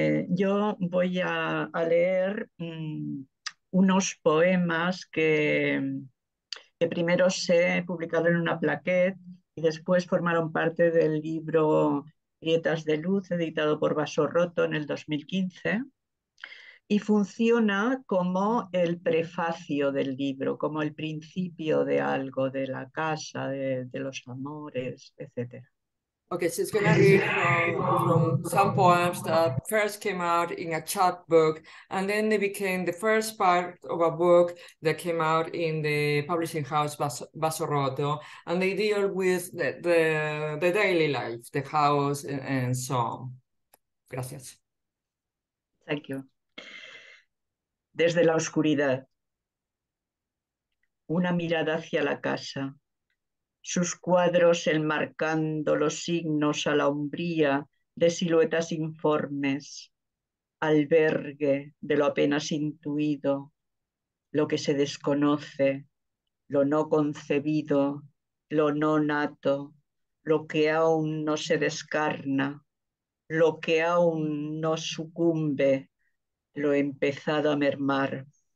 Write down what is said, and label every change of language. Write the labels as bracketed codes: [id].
[es] Yo voy a leer unos poemas que primero se publicaron en una plaqueta y después formaron parte del libro Grietas de Luz, editado por Vaso Roto en el 2015, y funciona como el prefacio del libro, como el principio de algo, de la casa, de los amores, etc. [en] Okay, she's going to read from some poems that first came out in a chapbook, and then they became the first part of a book that came out in the publishing house Vaso Roto, and they deal with the daily life, the house, and so on. [es] Gracias. [en] Thank you. [es] Desde la oscuridad, una mirada hacia la casa. Sus cuadros enmarcando los signos a la umbría de siluetas informes, albergue de lo apenas intuido, lo que se desconoce, lo no concebido, lo no nato, lo que aún no se descarna, lo que aún no sucumbe, lo empezado a mermar,